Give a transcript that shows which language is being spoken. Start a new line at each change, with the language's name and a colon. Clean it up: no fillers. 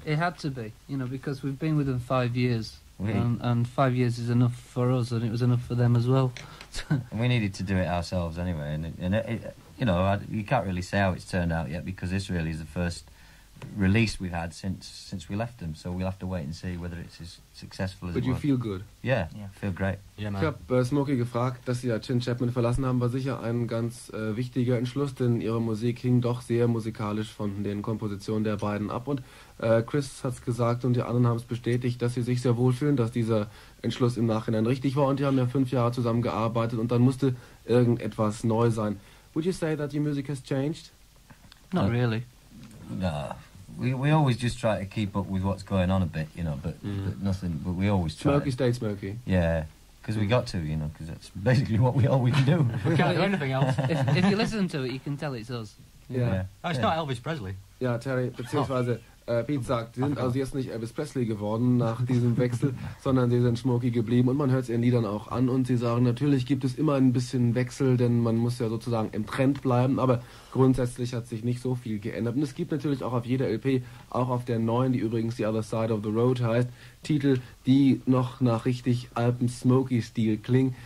English: It had to be, you know, because we've been with them 5 years. And 5 years is enough for us, and it was enough for them as well. And we needed to do it ourselves anyway. You can't really say how it's turned out yet, because this really is the first release we've had since we left them. So we'll have to wait and see whether it's as successful as it was. But you feel good? Yeah, feel great.
German: Yeah, ich habe Smokie gefragt, dass sie ja Gene Chapman verlassen haben, war sicher ein ganz wichtiger Entschluss, denn ihre Musik hing doch sehr musikalisch von den Kompositionen der beiden ab. Und Chris hat's gesagt und die anderen haben es bestätigt, dass sie sich sehr wohlfühlen, dass dieser Entschluss im Nachhinein richtig war. Und die haben ja 5 Jahre zusammengearbeitet und dann musste irgendetwas neu sein.
English: Would you say that your music has changed? Not really. No. We always just try to keep up with what's going on a bit, you know, but nothing. But we always try. Smokie stayed Smokie. Yeah, because we got to, you know, because that's basically what we always do. We can't do anything else. If you listen to it, you can tell it's us. Yeah. It's not Elvis Presley.
German: Yeah, Terry, beziehungsweise... Pete sagt, sie sind also jetzt nicht Elvis Presley geworden nach diesem Wechsel, sondern sie sind Smokie geblieben und man hört es ihren Liedern auch an und sie sagen, natürlich gibt es immer ein bisschen Wechsel, denn man muss ja sozusagen im Trend bleiben, aber grundsätzlich hat sich nicht so viel geändert. Und es gibt natürlich auch auf jeder LP, auch auf der neuen, die übrigens The Other Side of the Road heißt, Titel, die noch nach richtig Alpen-Smokie-Stil klingen.